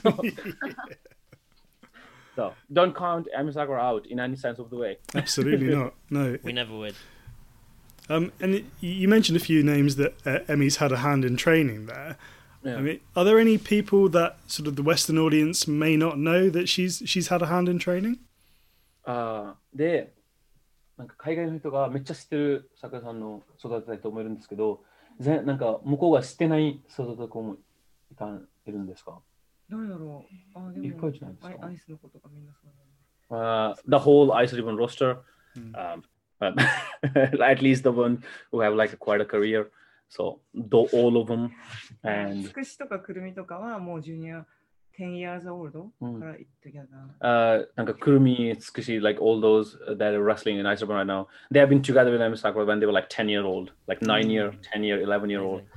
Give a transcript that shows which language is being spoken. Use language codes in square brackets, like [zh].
[en] So, so don't count Ami Sakura out in any sense of the way. Absolutely not. No. We never would. And you mentioned a few names that Emmy's had a hand in training there. Yeah. I mean, are there any people that sort of the Western audience may not know that she's had a hand in training? [ja] で、なんか海外の人がめっちゃ知ってる桜さんの育てたいと思えるんですけど、全なんか向こうが知ってない育てた子もいたんいるんですか？どうだろう。あでも、いっぱいじゃないですか。アイスの子とかみんなそうなの。 [en] The whole Ice Ribbon roster,、at least the one who have like quite a career, so the all of them. And [ja] つくしとかくるみとかはもうジュニア。 [en] 10 years old? なんかくるみ、つくし、like all those that are wrestling in Ice Ribbon right now, they have been together with Ami Sakura when they were like 10 years old, like 9 year, 10 year, 11 year old.